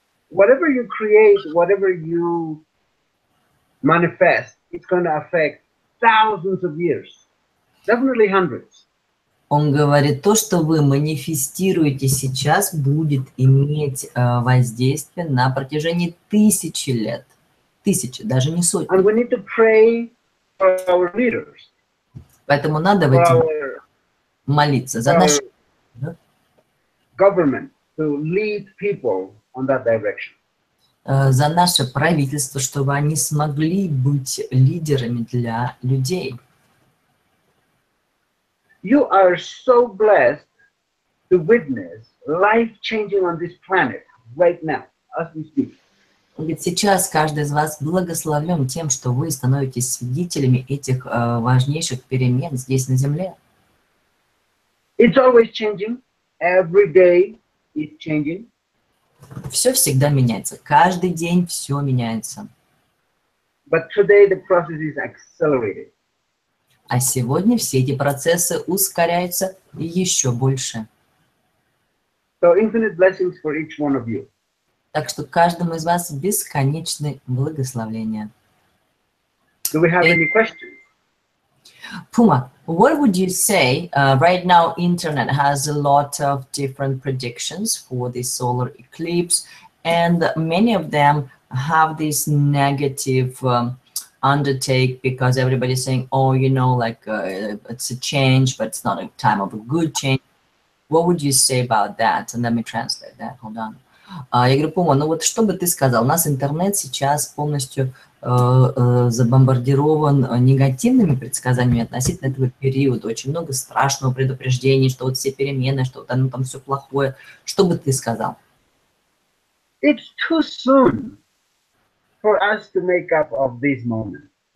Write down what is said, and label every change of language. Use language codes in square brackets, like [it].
[en] Whatever you create, whatever you manifest, it's going to affect thousands of years. Definitely hundreds. [ru] Он говорит, то, что вы манифестируете сейчас, будет иметь воздействие на протяжении тысячи лет. Тысячи, даже не сотни. [en] And we need to pray for our leaders. [ru] Поэтому надо в эти молиться за наши [en] government to lead people on that direction. [ru] За наше правительство, чтобы они смогли быть лидерами для людей. [en] You are so blessed to witness life changing on this planet right now, as we speak. [ru] Ведь сейчас каждый из вас благословлен тем, что вы становитесь свидетелями этих важнейших перемен здесь на Земле. [en] It's always changing. Every day it's changing. [ru] Все всегда меняется. Каждый день все меняется. [en] But today the process is accelerated. [ru] А сегодня все эти процессы ускоряются еще больше. [en] So infinite blessings for each one of you. [ru] Так что каждому из вас бесконечные благословения. [en] Do we have any questions? Puma, what would you say? Right now, internet has a lot of different predictions for the solar eclipse, and many of them have this negative. Undertake because everybody's saying, oh, you know, like it's a change, but it's not a time of a good change. What would you say about that? And let me translate that. Hold on. [ru] Я говорю, Пума, ну вот что бы ты сказал? У нас интернет сейчас полностью забомбардирован негативными предсказаниями относительно этого периода. Очень много страшного предупреждений, что вот все перемены, что вот оно там все плохое. Что бы ты сказал? [en] It's too soon for us to make up of this moment.